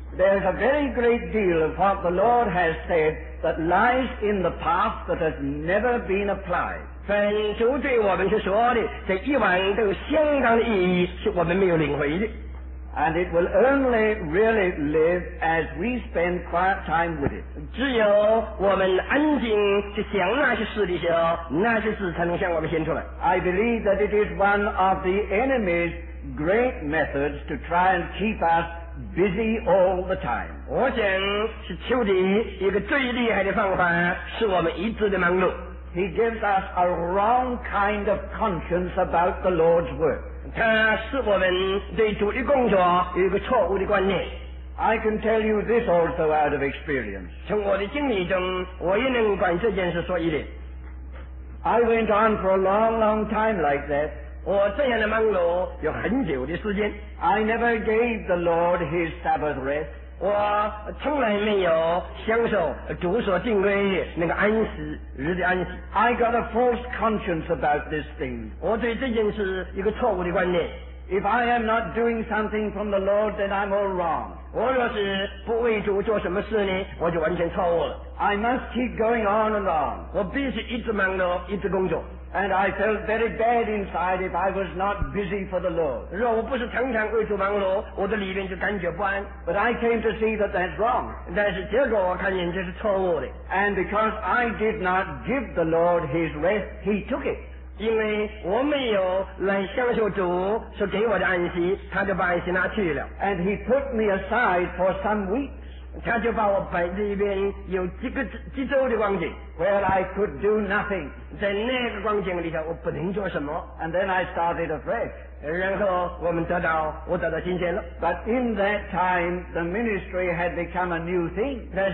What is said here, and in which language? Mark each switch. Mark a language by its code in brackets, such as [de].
[en] There's a very great deal of what the Lord has said that lies in the past that has never been applied. [zh] 本书对我们是说的，这一万都相当的意义，是我们没有领会的。 [en] And it will only really live as we spend quiet time with it. [zh] 只有我们安静去想那些事的时候，那些事才能向我们显出来。 [en] I believe that it is one of the enemy's great methods to try and keep us busy all the time. [zh] 我想是仇敌一个最厉害的方法，使我们一直的忙碌。 [en] He gives us a wrong kind of conscience about the Lord's work. [zh] 他使我们对主的工作有个错误的观念。 [en] I can tell you this also out of experience. [zh] 从我的经历中，我也能管这件事说一点。 [en] I went on for a long, long time like that. [zh] 我这样的忙碌有很久的时间。 [en] I never gave the Lord his Sabbath rest. [zh] 我从来没有享受主所定规的那个安息日的安息。 [en] I got a false conscience about this thing. [zh] 我对这件事一个错误的观念。 [en] If I am not doing something from the Lord, then I'm all wrong. [zh] 我若是不为主做什么事呢，我就完全错误了。 [en] I must keep going on and on. [zh] 我必须一直忙碌，一直工作。 [en] And I felt very bad inside if I was not busy for the Lord. [zh] 若我不是常常为主忙碌，我的里面就感觉不安。 [en] But I came to see that that's wrong. [zh] 但是结果我看见这是错误的。 [en] And because I did not give the Lord his rest, he took it. [zh] 因为我没有来享受主所给我的安息，他就把安息拿去了。 [en] And he put me aside for some weeks. [zh] 他就把我摆在一边有几周的光景。 [en] Where I could do nothing. [zh] 在那个光景里头我不能做什么。 [en] And then I started afresh. [zh] 然后我得到新鲜了。 [en] But in that time, the ministry had become a new thing.